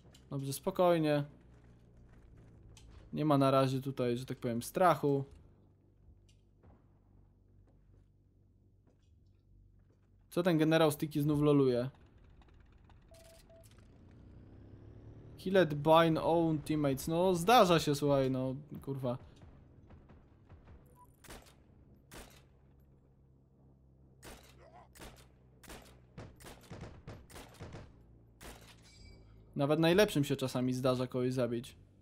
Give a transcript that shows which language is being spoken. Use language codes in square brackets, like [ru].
[pl] Dobrze, spokojnie. Nie ma na razie tutaj, że tak powiem, strachu. Co ten generał Sticky znów loluje? [en] Killed by my own teammates. [pl] No, zdarza się, słuchaj, no, kurwa. Nawet najlepszym się czasami zdarza kogoś zabić.